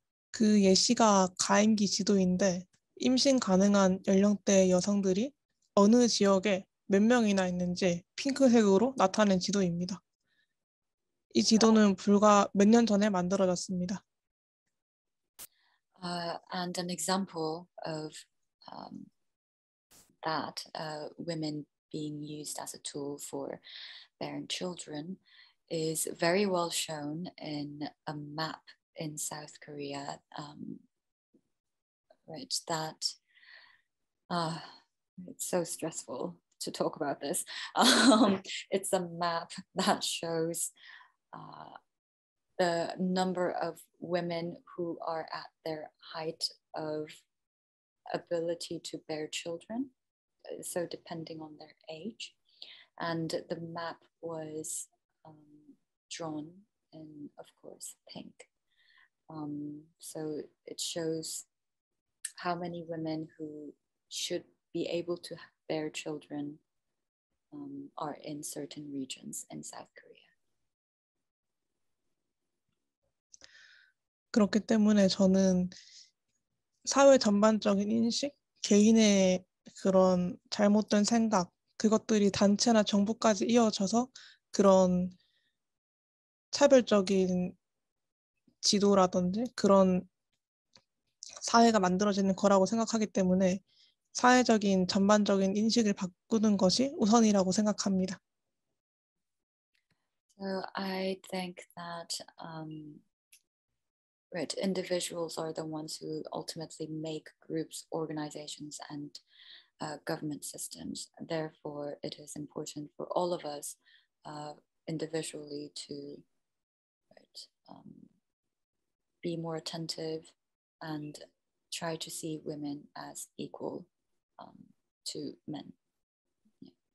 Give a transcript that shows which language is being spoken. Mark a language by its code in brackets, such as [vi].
[ko] 그 예시가 가임기 지도인데 임신 가능한 연령대 여성들이 어느 지역에 몇 명이나 있는지 핑크색으로 나타낸 지도입니다. 이 지도는 불과 몇 년 전에 만들어졌습니다. [en] And an example of that women being used as a tool for bearing children is very well shown in a map in South Korea, it's so stressful to talk about this. It's a map that shows the number of women who are at their height of ability to bear children, so depending on their age. And the map was drawn in, of course, pink. So it shows how many women who should be able to bear children are in certain regions in South Korea. [ko] 그렇기 때문에 저는 사회 전반적인 인식, 개인의 그런 잘못된 생각, 그것들이 단체나 정부까지 이어져서 그런 차별적인 지도라든지 그런 사회가 만들어지는 거라고 생각하기 때문에 사회적인 전반적인 인식을 바꾸는 것이 우선이라고 생각합니다. [en] So I think that right, individuals are the ones who ultimately make groups, organizations, and government systems. Therefore, it is important for all of us individually to right, be more attentive and try to see women as equal to men. Yeah.